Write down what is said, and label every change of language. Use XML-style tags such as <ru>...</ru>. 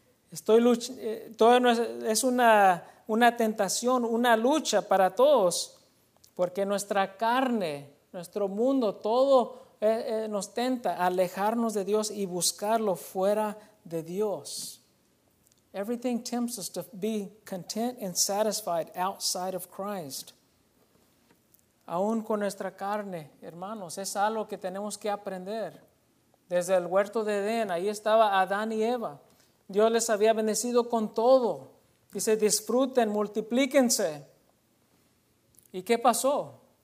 <es>Es una tentación, una lucha para todos. Porque nuestra carne, nuestro mundo, todo nos tenta a alejarnos de Dios y buscarlo fuera de Dios.</es> <en>Everything tempts us to be content and satisfied outside of Christ.</en> <es>Aún con nuestra carne, hermanos, es algo que tenemos que aprender. Desde el huerto de Edén, ahí estaba Adán y Eva. Dios les había bendecido con todo. Dice, disfruten, multiplíquense. ¿Y qué pasó?</es>